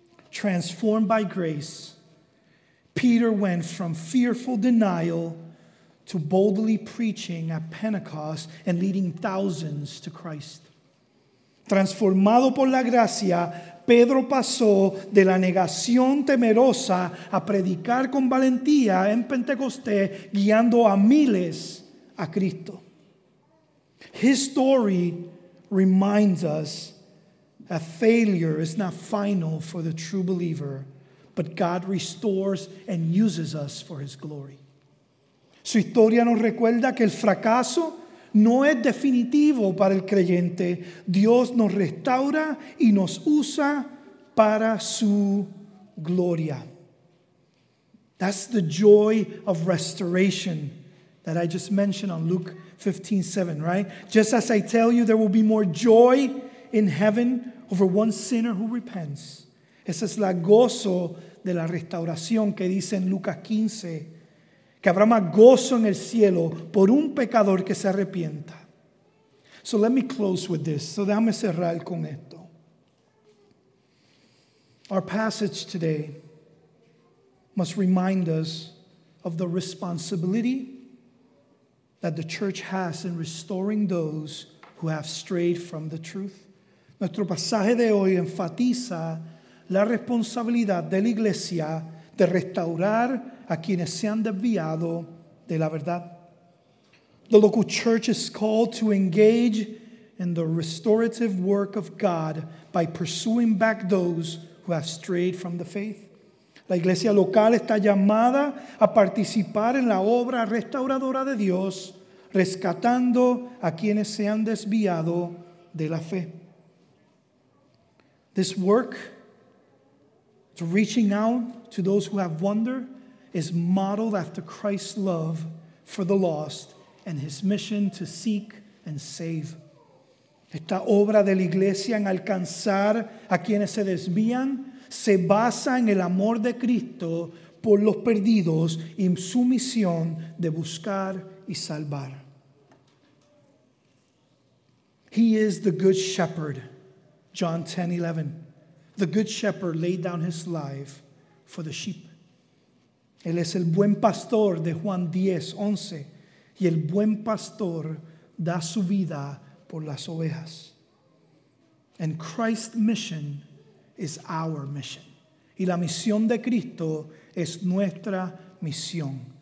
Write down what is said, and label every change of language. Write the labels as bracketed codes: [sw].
[en] Transformed by grace, Peter went from fearful denial to boldly preaching at Pentecost and leading thousands to Christ. [es] Transformado por la gracia, Pedro pasó de la negación temerosa a predicar con valentía en Pentecostés, guiando a miles a Cristo. [en] His story reminds us that failure is not final for the true believer, but God restores and uses us for his glory. [es] Su historia nos recuerda que el fracaso no es definitivo para el creyente. Dios nos restaura y nos usa para su gloria. [en] That's the joy of restoration that I just mentioned on Luke 15:7, right? Just as I tell you, there will be more joy in heaven over one sinner who repents. [es] Esa es la gozo de la restauración que dice en Lucas 15, que habrá más gozo en el cielo por un pecador que se arrepienta. [en] So let me close with this. [es] So déjame cerrar con esto. [en] Our passage today must remind us of the responsibility that the church has in restoring those who have strayed from the truth. [es] Nuestro pasaje de hoy enfatiza la responsabilidad de la iglesia de restaurar a quienes se han desviado de la verdad. [en] The local church is called to engage in the restorative work of God by pursuing back those who have strayed from the faith. [es] La iglesia local está llamada a participar en la obra restauradora de Dios, rescatando a quienes se han desviado de la fe. [en] This work, to reaching out to those who have wandered, is modeled after Christ's love for the lost and his mission to seek and save. [es] Esta obra de la iglesia en alcanzar a quienes se desvían se basa en el amor de Cristo por los perdidos y su misión de buscar y salvar. [en] He is the good shepherd, John 10:11. The good shepherd laid down his life for the sheep. [es] Él es el buen pastor de Juan 10:11. Y el buen pastor da su vida por las ovejas. [en] And Christ's mission is our mission. [es] Y la misión de Cristo es nuestra misión.